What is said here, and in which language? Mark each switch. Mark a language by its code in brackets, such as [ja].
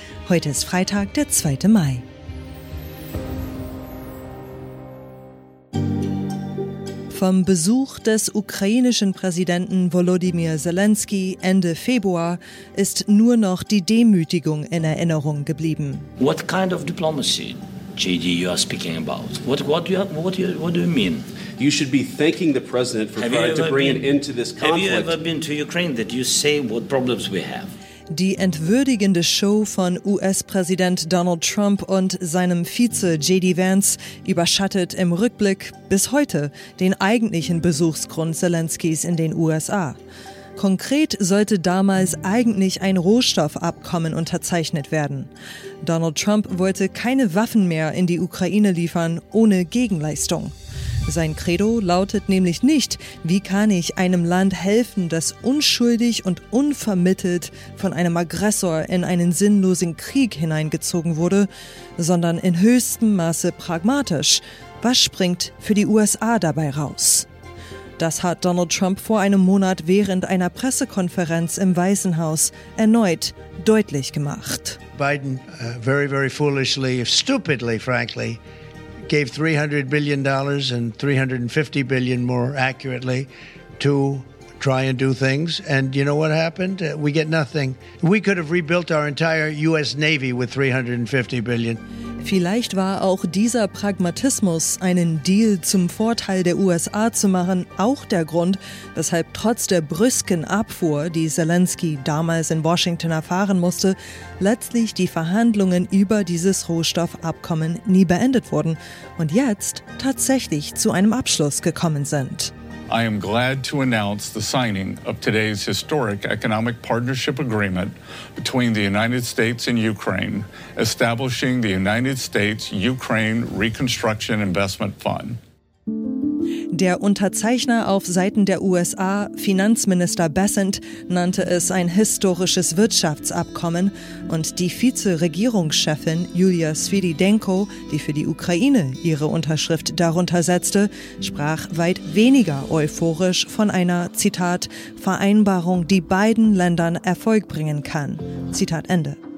[de] Heute ist Freitag, der 2. Mai. Vom Besuch des ukrainischen Präsidenten Volodymyr Zelensky Ende Februar ist nur noch die Demütigung in Erinnerung geblieben. [en] What kind of diplomacy, JD, you are speaking about? What do you mean? You should be thanking the president for trying to bring it into this conflict. Have you ever been to Ukraine that you say what problems we have? [de] Die entwürdigende Show von US-Präsident Donald Trump und seinem Vize J.D. Vance überschattet im Rückblick bis heute den eigentlichen Besuchsgrund Zelenskys in den USA. Konkret sollte damals eigentlich ein Rohstoffabkommen unterzeichnet werden. Donald Trump wollte keine Waffen mehr in die Ukraine liefern ohne Gegenleistung. Sein Credo lautet nämlich nicht, wie kann ich einem Land helfen, das unschuldig und unvermittelt von einem Aggressor in einen sinnlosen Krieg hineingezogen wurde, sondern in höchstem Maße pragmatisch. Was springt für die USA dabei raus? Das hat Donald Trump vor einem Monat während einer Pressekonferenz im Weißen Haus erneut deutlich gemacht. [en] Biden, very, very foolishly, stupidly, frankly, gave $300 billion and $350 billion more accurately to try and do things. And you know what happened? We get nothing. We could have rebuilt our entire US Navy with $350 billion. [de] Vielleicht war auch dieser Pragmatismus, einen Deal zum Vorteil der USA zu machen, auch der Grund, weshalb trotz der brüsken Abfuhr, die Zelensky damals in Washington erfahren musste, letztlich die Verhandlungen über dieses Rohstoffabkommen nie beendet wurden und jetzt tatsächlich zu einem Abschluss gekommen sind. [en] I am glad to announce the signing of today's historic economic partnership agreement between the United States and Ukraine, establishing the United States-Ukraine Reconstruction Investment Fund. [de] Der Unterzeichner auf Seiten der USA, Finanzminister Bessent, nannte es ein historisches Wirtschaftsabkommen und die Vize-Regierungschefin Julia Svididenko, die für die Ukraine ihre Unterschrift darunter setzte, sprach weit weniger euphorisch von einer, Zitat, Vereinbarung, die beiden Ländern Erfolg bringen kann, Zitat Ende.